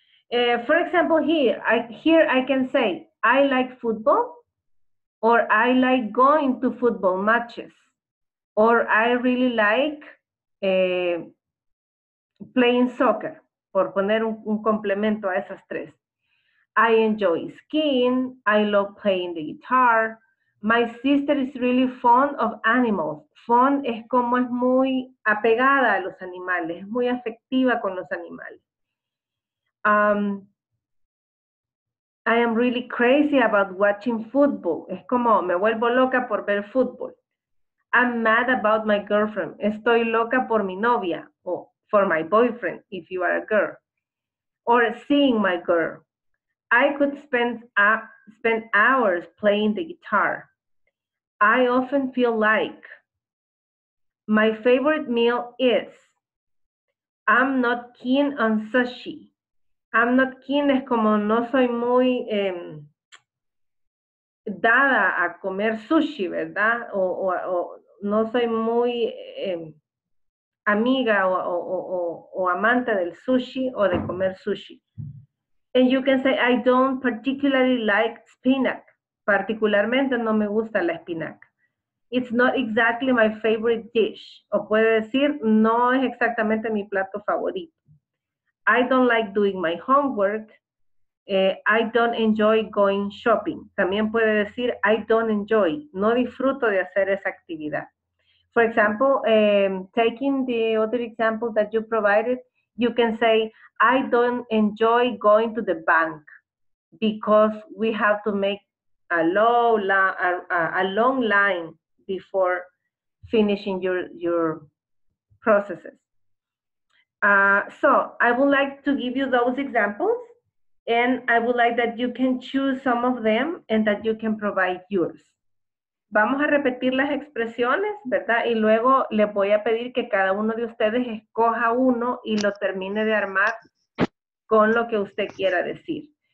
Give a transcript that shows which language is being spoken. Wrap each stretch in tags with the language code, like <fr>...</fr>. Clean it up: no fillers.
<en>For example, here I can say, I like football, or I like going to football matches, or I really like playing soccer,</en> <es>por poner un complemento a esas tres.</es> <en>I enjoy skiing, I love playing the guitar, my sister is really fond of animals.</en> <es>Fond es como es muy apegada a los animales, es muy afectiva con los animales.</es> <en>I am really crazy about watching football.</en> <es>Es como me vuelvo loca por ver fútbol.</es> <en>I'm mad about my girlfriend.</en> <es>Estoy loca por mi novia, o</es> <en>for my boyfriend, if you are a girl. Or seeing my girl. I could spend hours playing the guitar. I often feel like my favorite meal is, I'm not keen on sushi. I'm not keen</en> <es>es como no soy muy dada a comer sushi, ¿verdad? O no soy muy amiga o amante del sushi o de comer sushi.</es> <en>And you can say, I don't particularly like spinach.</en> <es>Particularmente no me gusta la espinaca.</es> <en>It's not exactly my favorite dish.</en> <es>O puede decir, no es exactamente mi plato favorito.</es> <en>I don't like doing my homework. I don't enjoy going shopping.</en> <es>También puede decir,</es> <en>I don't enjoy.</en> <es>No disfruto de hacer esa actividad.</es> <en>For example, taking the other example that you provided, you can say, I don't enjoy going to the bank because we have to make a long line before finishing your processes. So I would like to give you those examples, and I would like that you can choose some of them and that you can provide yours.</en> <es>Vamos a repetir las expresiones, ¿verdad? Y luego les voy a pedir que cada uno de ustedes escoja uno y lo termine de armar con lo que usted quiera decir.</es>